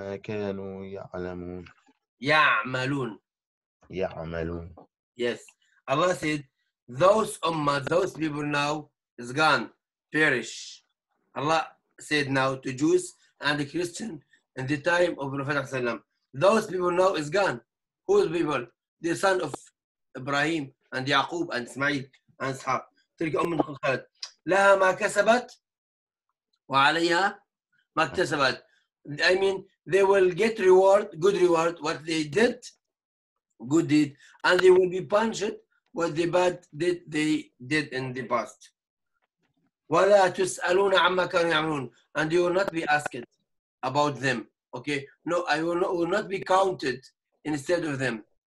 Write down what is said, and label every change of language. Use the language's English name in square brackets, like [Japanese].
[Arabic] ولا تسألون أما كانوا يعلمون. يعملون. Yes. [English] Allah said, those ummah, those people now is gone, perish. Allah said now to Jews and the Christian in the time of Prophet Sallam, those people now is gone. Whose people? The son of Ibrahim and Yaqub and Ismail and Ishaq. [Arabic] تلك أم خلت لها ما كسبت وعليها ما اكتسبت. [English] I mean, they will get reward, good reward, what they did, good deed, and they will be punished what the bad deed they did in the past. [Arabic] ولا تسألون عما كانوا يعملون. [English] And you will not be asked about them. Okay? No, I will not be counted instead of them.